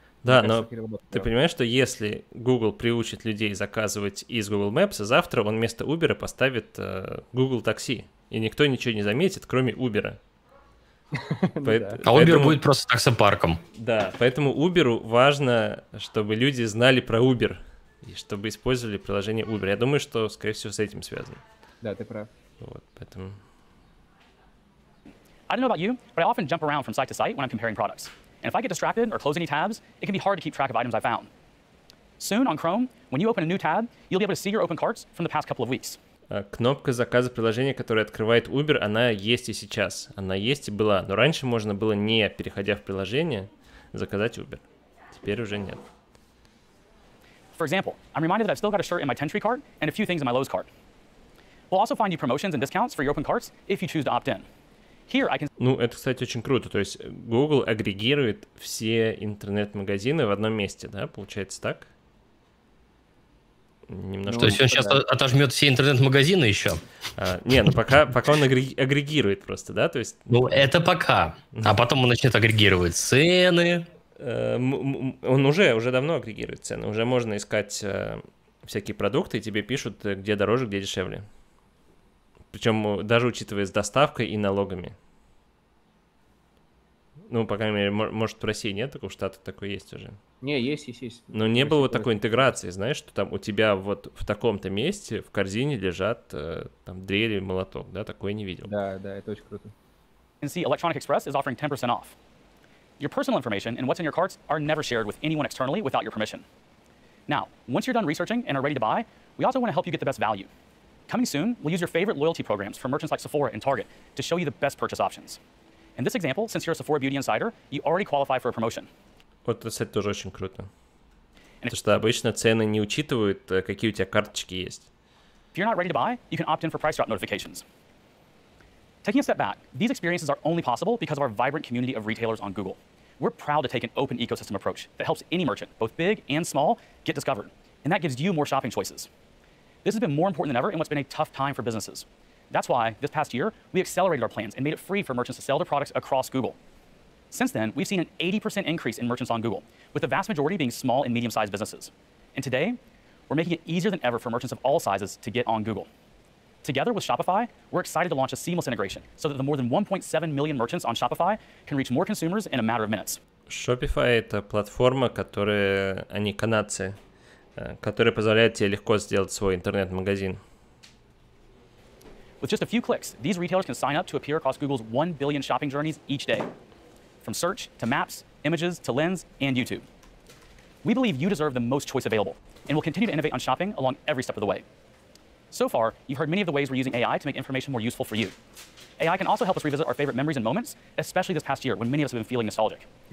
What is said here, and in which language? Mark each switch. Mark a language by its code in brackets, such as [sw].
[ru] Да, мне кажется, ты понимаешь, что если Google приучит людей заказывать из Google Maps, завтра он вместо Uber поставит Google такси, и никто ничего не заметит, кроме Uber. А Uber будет просто таксопарком. Да, поэтому Uber важно, чтобы люди знали про Uber, и чтобы использовали приложение Uber. Я думаю, что, скорее всего, с этим связано. Да, ты прав. Вот, поэтому... [en] I don't know about you, but I often jump around from site to site when I'm comparing products. And if I get distracted or close any tabs, it can be hard to keep track of items I found. Soon, on Chrome, when you open a new tab, you'll be able to see your open carts from the past couple of weeks. [ru] Кнопка заказа приложения, которое открывает Uber, она есть и сейчас. Она есть и была. Но раньше можно было, не переходя в приложение, заказать Uber. Теперь уже нет. [en] For example, I'm reminded that I've still got a shirt in my Tentry cart and a few things in my Lowe's cart. We'll also find you promotions and discounts for your open carts if you choose to opt in. [ru] Ну, это, кстати, очень круто. То есть Google агрегирует все интернет-магазины в одном месте, да? Получается так? Немножко. То есть он сейчас отожмет все интернет-магазины еще? Пока он агрегирует просто, да? То есть... Ну, это пока. А потом он начнет агрегировать цены. Он уже давно агрегирует цены. Уже можно искать всякие продукты, и тебе пишут, где дороже, где дешевле. Причем даже учитывая с доставкой и налогами. Ну, по крайней мере, может, в России нет такого, штата такой есть уже. Не, есть. Но не было вот такой интеграции, знаешь, что там у тебя вот в таком-то месте в корзине лежат там дрель или молоток, да, такое не видел. Да, это очень круто. [en] You can see Electronic Express is offering 10% off. Your personal information and what's in your carts are never shared with anyone externally without your permission. Now, once you're done researching and are ready to buy, we also want to help you get the best value. Coming soon, we'll use your favorite loyalty programs from merchants like Sephora and Target to show you the best purchase options. In this example, since you're a Sephora Beauty Insider, you already qualify for a promotion. [ru] Вот это, кстати, тоже очень круто. Потому что обычно цены не учитывают, какие у тебя карточки есть. [en] If you're not ready to buy, you can opt in for price drop notifications. Taking a step back, these experiences are only possible because of our vibrant community of retailers on Google. We're proud to take an open ecosystem approach that helps any merchant, both big and small, get discovered. And that gives you more shopping choices. This has been more important than ever in what's been a tough time for businesses. That's why, this past year, we accelerated our plans and made it free for merchants to sell their products across Google. Since then, we've seen an 80% increase in merchants on Google, with the vast majority being small and medium-sized businesses. And today, we're making it easier than ever for merchants of all sizes to get on Google. Together with Shopify, we're excited to launch a seamless integration so that the more than 1.7 million merchants on Shopify can reach more consumers in a matter of minutes. [ru] Shopify — это платформа, которая, они канадцы, которая позволяет тебе легко сделать свой интернет-магазин. [en] With just a few clicks, these retailers can sign up to appear across Google's 1 billion shopping journeys each day. From search, to maps, images, to Lens, and YouTube. We believe you deserve the most choice available, and will continue to innovate on shopping along every step of the way. So far, you've heard many of the ways we're using AI to make information more useful for you. AI can also help us revisit our favorite memories and moments, especially this past year when many of us have been feeling nostalgic.